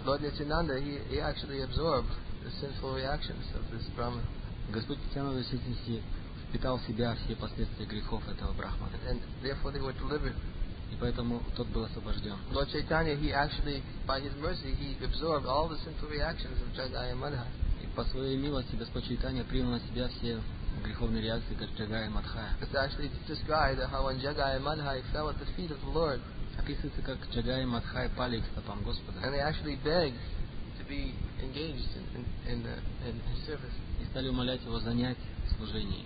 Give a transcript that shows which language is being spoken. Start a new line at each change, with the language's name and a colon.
English: Lord Nityananda, he actually absorbed the sinful reactions of this brahman.
Russian: Господь Нитянанда в сущности впитал в себя все последствия грехов этого брахмана.
English: And therefore they were delivered.
Russian: И поэтому тот был освобожден.
English: Lord Chaitanya, he actually, by his mercy, he absorbed all the sinful reactions of Jagaya Madha.
Russian: И по своей милости Господь Чайтанья принял на себя все греховные реакции Джагая Мадхая.
English: It's actually described how when Jagaya Madha fell at the feet of the Lord.
Russian: Описывается, как Джагая Мадхая пали к стопам Господа.
English: And they actually begged to be engaged in his service.
Russian: И стали умолять его занять служение.